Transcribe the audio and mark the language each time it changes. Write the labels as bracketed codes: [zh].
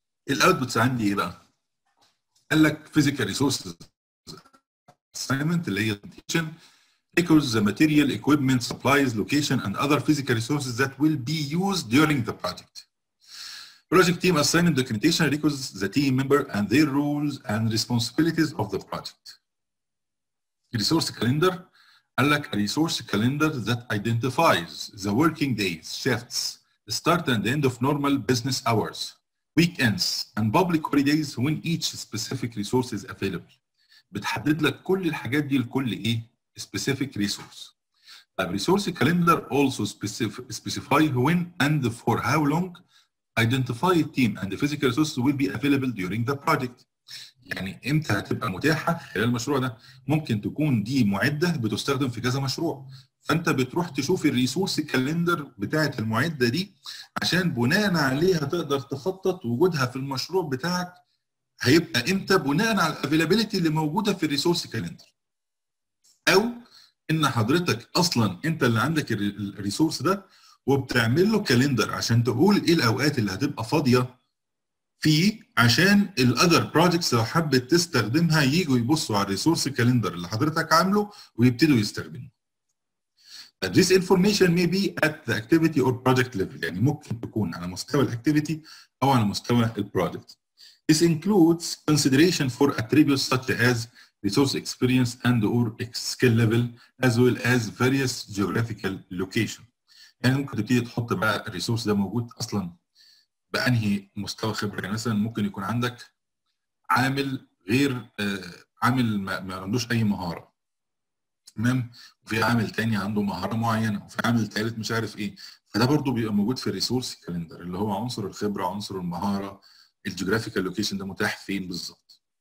[en] الاوتبوتس [ar] عندي ايه بقى؟ قال لك [en] Physical resources assignment اللي هي التيشن ايكوز the material equipment supplies location and other physical resources that will be used during the project. Project team assignment documentation records the team member and their roles and responsibilities of the project. Resource calendar, like a resource calendar that identifies the working days, shifts, start and end of normal business hours, weekends, and public holidays when each specific resource is available. [ar] بتحدد لك كل الحاجات دي لكل ايه [en] specific resource. A resource calendar also specify when and for how long identify the team and the physical resources will be available during the project. [ar] يعني امتى هتبقى متاحة خلال المشروع ده؟ ممكن تكون دي معدة بتستخدم في كذا مشروع. فانت بتروح تشوف الريسورس كالندر بتاعت المعدة دي عشان بناء عليها تقدر تخطط وجودها في المشروع بتاعك هيبقى امتى بناء على الافيلابيليتي اللي موجودة في الريسورس كالندر. او ان حضرتك اصلا انت اللي عندك الريسورس ده وبتعمل له كالندر عشان تقول ايه الاوقات اللي هتبقى فاضيه فيه عشان الاذر بروجكتس لو حبت تستخدمها ييجوا يبصوا على الريسورس كالندر اللي حضرتك عامله ويبتدوا يستخدموه. [en] This information may be at the activity or project level. [ar] يعني ممكن تكون على مستوى الactivity أو على مستوى الproject. [en] This includes consideration for attributes such as resource experience and or skill level as well as various geographical location. [ar] يعني ممكن تبتدي تحط بقى الريسورس ده موجود اصلا بانهي مستوى خبره. يعني مثلا ممكن يكون عندك عامل غير عامل ما عندوش اي مهاره تمام، وفي عامل تاني عنده مهاره معينه، وفي عامل تالت مش عارف ايه، فده برضو بيبقى موجود في الريسورس كالندر اللي هو عنصر الخبره عنصر المهاره الجيوغرافيكال لوكيشن ده متاح فين بالظبط.